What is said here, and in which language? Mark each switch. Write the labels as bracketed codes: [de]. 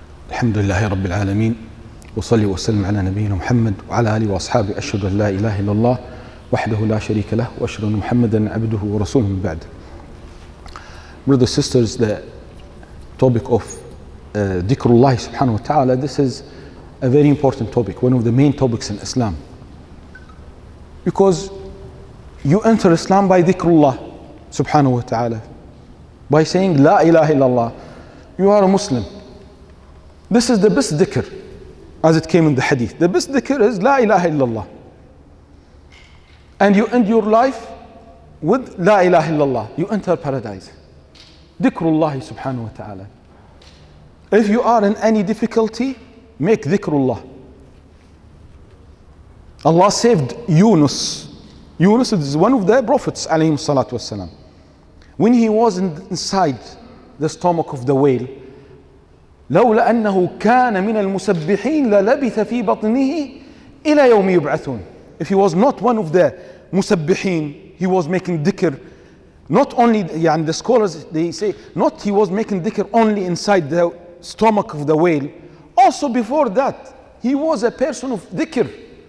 [ar] الحمد لله رب العالمين، وصلي وسلم على نبينا محمد وعلى آله وأصحابه. أشهد أن لا إله إلا الله وحده لا شريك له، وأشهد أن محمدا عبده ورسوله من بعد. [en] Brothers and sisters, the topic of Dhikrullah subhanahu wa ta'ala, this is a very important topic, one of the main topics in Islam. Because you enter Islam by Dhikrullah subhanahu wa ta'ala, by saying La ilaha illallah, you are a Muslim. This is the best dhikr, as it came in the hadith. The best dhikr is La ilaha illallah. And you end your life with La ilaha illallah. You enter paradise. Dhikrullah subhanahu wa ta'ala. If you are in any difficulty, make dhikrullah. Allah saved Yunus. Yunus is one of the prophets, alayhi salatu wasalam. When he was inside the stomach of the whale, [ar] لولا أنه كان من المسبحين للبث في بطنه إلى يوم يبعثون. [en] If he was not one of the مسبحين, he was making dhikr. Not only, يعني the scholars they say, not he was making dhikr only inside the stomach of the whale. Also before that, he was a person of dhikr.